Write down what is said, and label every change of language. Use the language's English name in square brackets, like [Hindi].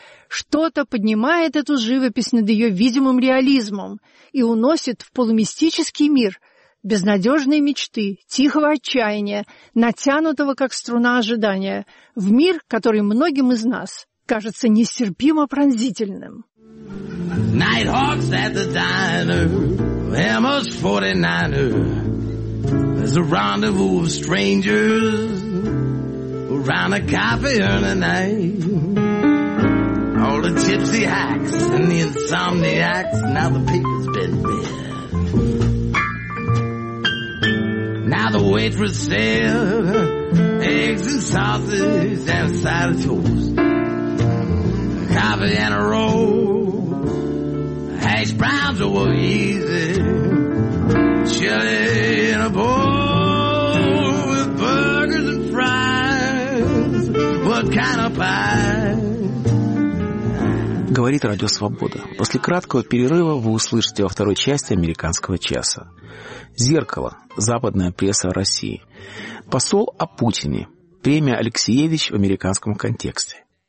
[Russian] Что-то поднимает эту живопись над ее видимым реализмом и уносит в полумистический мир, безнадежной мечты, тихого отчаяния, натянутого, как струна ожидания, в мир, который многим из нас кажется нестерпимо пронзительным. [English] Nighthawks at the diner, MS 49er, there's a rendezvous of strangers around a coffee and a knife. All the gypsy hacks and the insomniacs, now the paper's been read. Now the waitress said, eggs and sausage and a side of toast, coffee and a roll, hash browns are well easy, chili in a bowl with burgers and fries, what kind of pie? [Russian] Говорит Радио Свобода. После краткого перерыва вы услышите во второй части «Американского часа». «Зеркало. Западная пресса России». «Посол о Путине». «Премия Алексеевич в американском контексте».